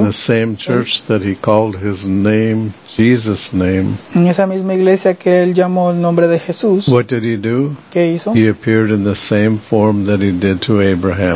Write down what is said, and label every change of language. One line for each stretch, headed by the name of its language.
English: In the same church that he called his name, Jesus' name.
Spanish: En esa misma iglesia que él llamó el nombre de Jesús.
English: What did he do?
Spanish: ¿Qué hizo?
English: He appeared in the same form that he did to Abraham.